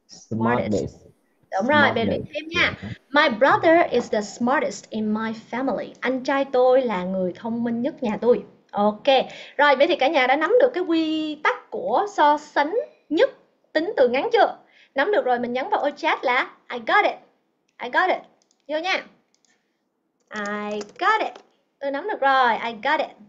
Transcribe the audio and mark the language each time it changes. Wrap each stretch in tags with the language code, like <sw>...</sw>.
<vi>Đúng rồi, bên mình thêm nha.</vi> <en>My brother is the smartest in my family.</en> <vi>Anh trai tôi là người thông minh nhất nhà tôi. Ok, rồi vậy thì cả nhà đã nắm được cái quy tắc của so sánh nhất tính từ ngắn chưa? Nắm được rồi, mình nhắn vào ô chat là</vi> <en>I got it.</en> <vi>Vô nha.</vi> <en>I got it.</en> <vi>Tôi nắm được rồi, I got it.</vi>